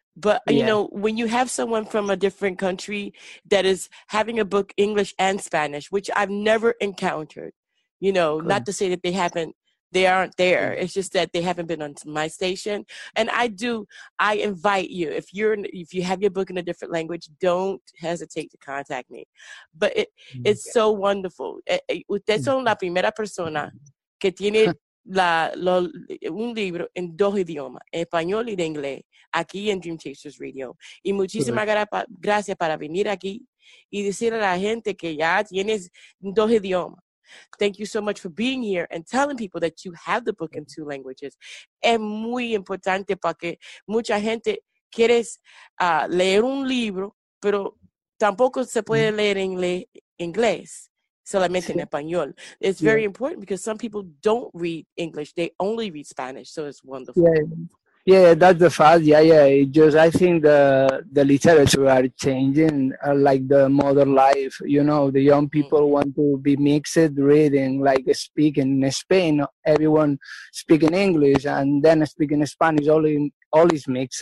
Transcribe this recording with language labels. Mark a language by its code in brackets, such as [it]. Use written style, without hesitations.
[en] But, you know, when you have someone from a different country that is having a book, English and Spanish, which I've never encountered, you know, not to say that they aren't there. Mm-hmm. It's just that they haven't been on my station. And I invite you, if you have your book in a different language, don't hesitate to contact me. But it's so wonderful. [es] Ustedes son la primera persona que tiene un libro en dos idiomas, español y de inglés, aquí en Dream Chasers Radio. Y muchísimas gracias para venir aquí y decirle a la gente que ya tienes dos idiomas. [en] Thank you so much for being here and telling people that you have the book in two languages. [es] Es muy importante porque mucha gente quiere leer un libro, pero tampoco se puede leer en inglés. Solamente en español. [en] It's very important because some people don't read English. They only read Spanish. So it's wonderful. Yeah. Yeah, that's the fact. Yeah. It just, I think the literature are changing, like the modern life, you know, the young people want to be mixed reading, like speaking in Spain, everyone speaking English and then speaking Spanish, all is mixed.